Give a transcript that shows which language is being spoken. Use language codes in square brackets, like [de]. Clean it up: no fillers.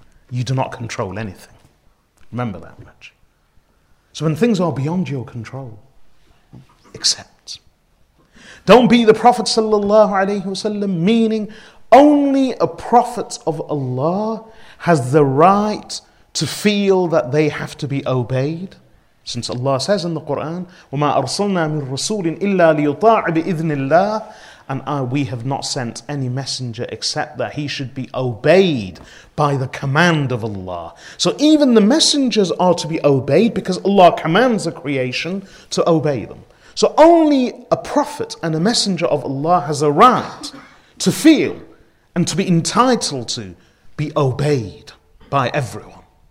[en] You do not control anything. Remember that much. So when things are beyond your control, accept. Don't be the Prophet sallallahu alayhi wasallam, meaning only a prophet of Allah has the right to feel that they have to be obeyed. Since Allah says in the Quran, [ar] وَمَا أَرْسَلْنَا مِنْ رَسُولٍ إِلَّا لِيُطَاعِ بِإِذْنِ اللَّهِ. [en] And we have not sent any messenger except that he should be obeyed by the command of Allah. So even the messengers are to be obeyed because Allah commands the creation to obey them. So only a prophet and a messenger of Allah has a right to feel and to be entitled to be obeyed by everyone.